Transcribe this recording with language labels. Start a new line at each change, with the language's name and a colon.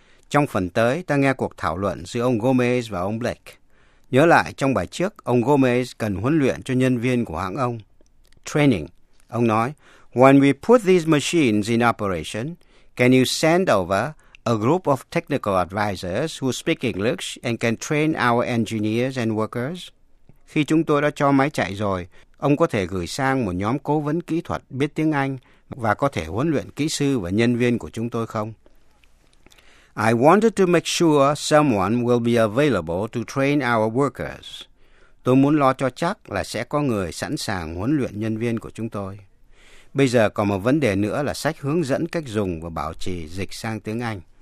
Vietnamese: Trong phần tới, ta nghe cuộc thảo luận giữa ông Gomez và ông Blake. Nhớ lại, trong bài trước, ông Gomez cần huấn luyện cho nhân viên của hãng ông.
English: Training.
Vietnamese: Ông nói,
English: When we put these machines in operation, can you send over a group of technical advisors who speak English and can train our engineers and workers?
Vietnamese: Khi chúng tôi đã cho máy chạy rồi, ông có thể gửi sang một nhóm cố vấn kỹ thuật biết tiếng Anh và có thể huấn luyện kỹ sư và nhân viên của chúng tôi không?
English: I wanted to make sure someone will be available to train our workers.
Vietnamese: Tôi muốn lo cho chắc là sẽ có người sẵn sàng huấn luyện nhân viên của chúng tôi. Bây giờ còn một vấn đề nữa là sách hướng dẫn cách dùng và bảo trì dịch sang tiếng Anh.